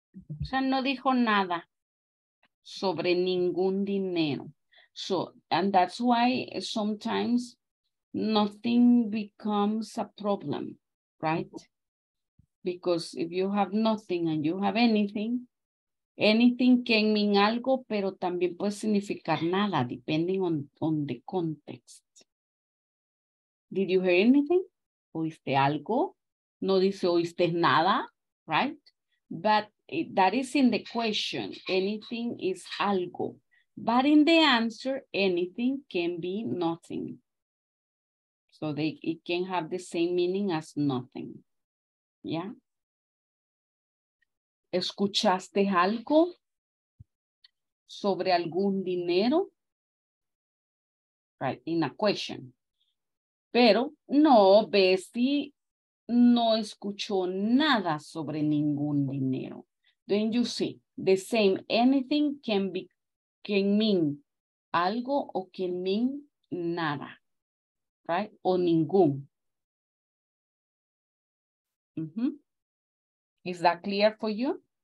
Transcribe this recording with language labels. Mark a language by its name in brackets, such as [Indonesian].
[Spanish] O sea, no dijo nada sobre ningún dinero. [English] So, and that's why sometimes nothing becomes a problem, right? Because if you have nothing and you have anything, anything can mean [Spanish] algo, pero también puede significar nada, [English] depending on the context. Did you hear anything? [Spanish] ¿Oíste algo? No dice oíste nada, right? [English] But that is in the question. Anything is algo. But in the answer, anything can be nothing. So they it can have the same meaning as nothing. Yeah? [Spanish] ¿Escuchaste algo sobre algún dinero? [English] Right, in a question. [Spanish] Pero no, Bessie no escuchó nada sobre ningún dinero. [English] Then you see, the same, anything can mean algo o can mean nada, right? [Spanish] O ningún. [English] Mm-hmm. Is that clear for you?